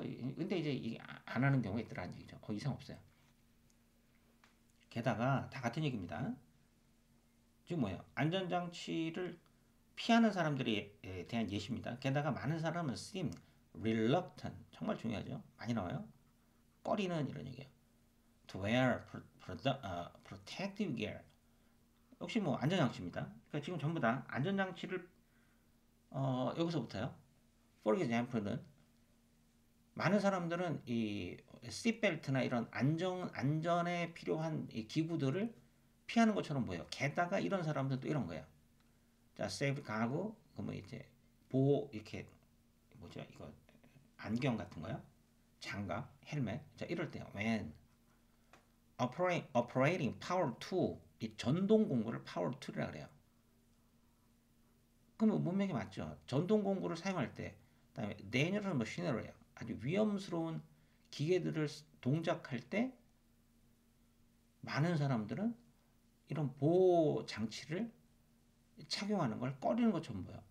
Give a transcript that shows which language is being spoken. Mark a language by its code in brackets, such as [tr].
[ko] 근데 이제 이게 안 하는 경우가 있더라는 얘기죠. 이상 없어요. 게다가 다 같은 얘기입니다. 지금 뭐예요? 안전장치를 피하는 사람들에 대한 예시입니다. 게다가 많은 사람은 seem reluctant. 정말 중요하죠. 많이 나와요. 꺼리는 이런 얘기예요. [en] To wear protective gear. [ko] 역시 뭐 안전장치입니다. 그러니까 지금 전부 다 안전장치를 여기서부터요. For example는 많은 사람들은 이 시트벨트나 이런 안전에 필요한 이 기구들을 피하는 것처럼 보여. 게다가 이런 사람들도 이런 거예요. 자, 세이프 가구, 그러면 이제 보호 이렇게 뭐죠? 이거 안경 같은 거요? 장갑, 헬멧. 자, 이럴 때요. [en] When operating power tool, [ko] 이 전동 공구를 power tool이라 그래요. 그러면 문맥이 맞죠? 전동 공구를 사용할 때, 그다음에 dangerous machinery예요. 아주 위험스러운 기계들을 동작할 때 많은 사람들은 이런 보호 장치를 착용하는 걸 꺼리는 것처럼 보여.